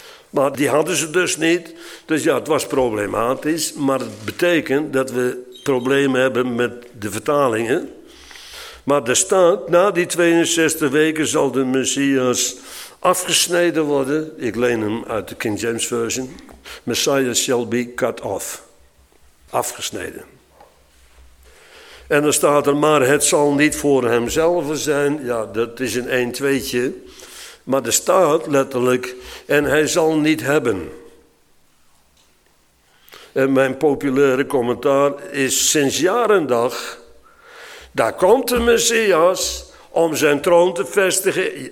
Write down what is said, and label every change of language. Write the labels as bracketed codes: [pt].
[nl] Maar die hadden ze dus niet. Dus ja, het was problematisch. Maar het betekent dat we problemen hebben met de vertalingen. Maar er staat, na die 62 weken zal de Messias afgesneden worden. Ik leen hem uit de King James Version. [en] Messiah shall be cut off. [nl] Afgesneden. En dan staat er, maar het zal niet voor hemzelf zijn. Ja, dat is een 1-2'tje. Maar er staat letterlijk, en hij zal niet hebben. En mijn populaire commentaar is, sinds jaar en dag, daar komt de Messias om zijn troon te vestigen.